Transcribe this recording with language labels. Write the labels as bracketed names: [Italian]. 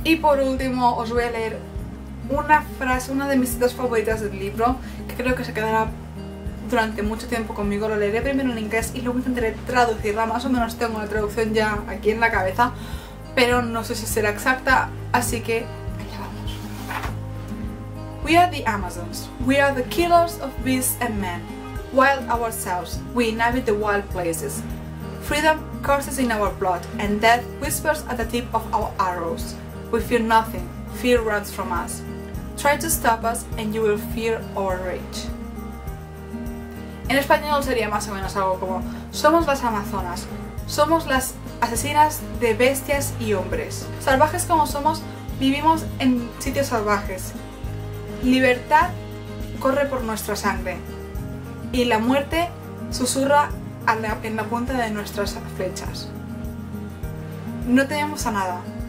[Spanish] Y por último, os voy a leer una frase, una de mis citas favoritas del libro, que creo que se quedará durante mucho tiempo conmigo. Lo leeré primero en inglés y luego intentaré traducirla, más o menos tengo la traducción ya aquí en la cabeza, pero no sé si será exacta, así que allá vamos. [English] We are the Amazons. We are the killers of beasts and men. Wild ourselves, we inhabit the wild places. Freedom curses in our blood, and death whispers at the tip of our arrows. We fear nothing, fear runs from us. Try to stop us, and you will fear our rage. [Spanish] En español sería más o menos algo como: somos las Amazonas, somos las asesinas de bestias y hombres. Salvajes como somos, vivimos en sitios salvajes. Libertad corre por nuestra sangre, y la muerte susurra en la punta de nuestras flechas. No tememos a nada.